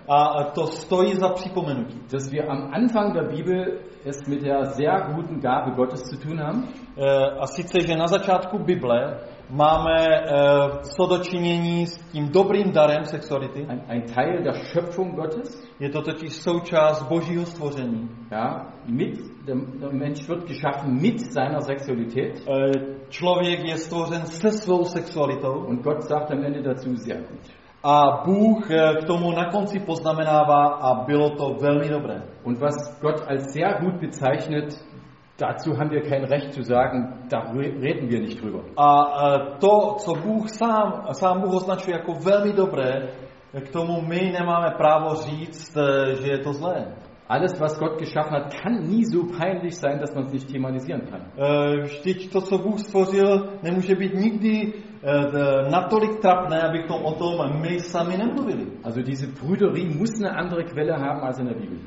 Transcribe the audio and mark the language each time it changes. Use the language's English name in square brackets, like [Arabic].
[Czech] A to stojí za připomenutí. [German] Dass wir am Anfang der Bibel es mit der sehr guten Gabe Gottes zu tun haben. [Czech] A sice, že na začátku Bible máme co dočinění s tím dobrým darem sexuality. [German] Ein Teil der Schöpfung Gottes. [Czech] Je to totiž součást Božího stvoření. [German] Ja, der Mensch wird geschaffen mit seiner Sexualität. [Czech] Člověk je stvořen se svou sexualitou. [German] Und Gott sagt am Ende dazu sehr gut. [Czech] A Bůh k tomu na konci poznamenává a bylo to velmi dobré. [German] Und was Gott als sehr gut bezeichnet, dazu haben wir kein Recht zu sagen, da reden wir nicht drüber. [Czech] A to, co Bůh sám Bůh označuje jako velmi dobré, k tomu my nemáme právo říct, že je to zlé. [German] Alles, was Gott geschaffen hat, kann nie so peinlich sein, dass man es nicht thematisieren kann. [Czech] Vždyť to, co Bůh stvořil, nemůže být nikdy natolik trapné, abychom o tom my sami nemluvili. [German] Also diese Prüderie muss eine andere Quelle haben als in der Bibel.